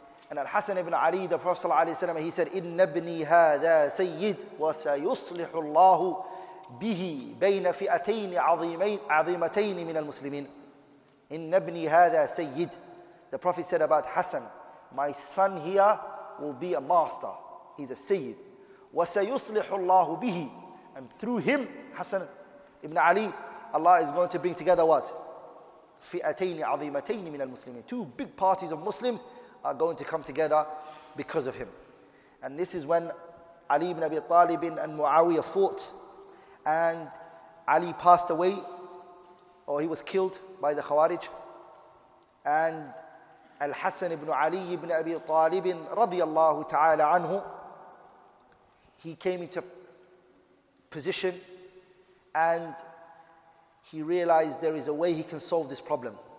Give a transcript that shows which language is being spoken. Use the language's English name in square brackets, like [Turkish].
[English] And Al-Hasan ibn Ali, the Prophet sallallahu alayhi wa sallam, he said, [Arabic] Inna ibni hadha sayyid wa sayuslihu Allahu به بين فئتين عظيمتين من المسلمين إن ابني هذا سيد. [English] The Prophet said about Hassan, my son here will be a master, he's a sayyid. [Arabic] وسيصلح الله به, [English] and through him, Hassan ibn Ali, Allah is going to bring together what? [Arabic] فئتين عظيمتين من المسلمين. [English] Two big parties of Muslims are going to come together because of him. And this is when Ali ibn Abi Talib and Muawiyah fought, and Ali passed away, or he was killed by the Khawarij. And Al-Hasan ibn Ali ibn Abi Talib radiyallahu ta'ala anhu, he came into position and he realized there is a way he can solve this problem.